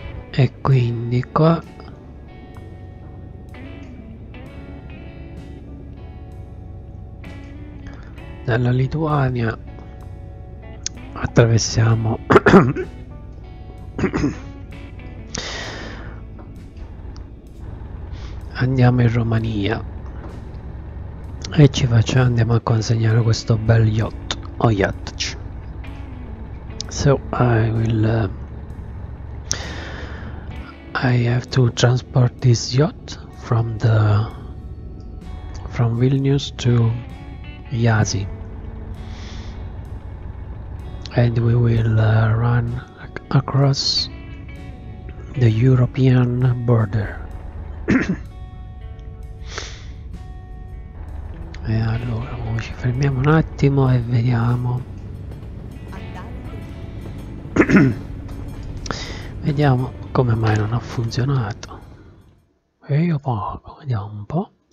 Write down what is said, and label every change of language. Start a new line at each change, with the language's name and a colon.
Italian: E quindi qua dalla Lituania attraversiamo andiamo in Romania e ci facciamo, andiamo a consegnare questo bel yacht o yacht.
English: So I will I have to transport this yacht from Vilnius to Jasi, and we will run across the European border.
Italian: E allora ci fermiamo un attimo e vediamo. Vediamo. Come mai non ha funzionato? E io pago, vediamo un po'.